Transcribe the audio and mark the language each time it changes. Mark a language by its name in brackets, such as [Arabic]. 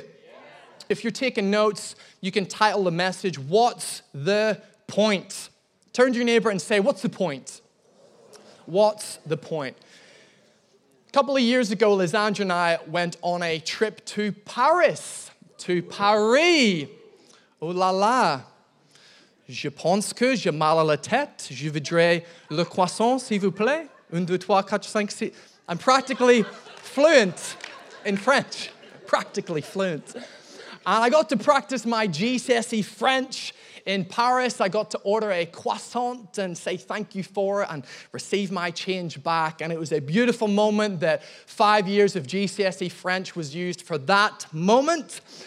[English] Yeah. If you're taking notes, you can title the message, "What's the Point?" Turn to your neighbor and say, "What's the point? What's the point?" A couple of years ago, Lisandra and I went on a trip to Paris. To Paris, [French] oh la la, je pense que je mal à la tête, je voudrais le croissant, s'il vous plaît, un, deux, trois, quatre, cinq, six. [English] I'm practically fluent in French, practically fluent. And I got to practice my GCSE French in Paris. I got to order a croissant and say thank you for it and receive my change back. And it was a beautiful moment that 5 years of GCSE French was used for that moment.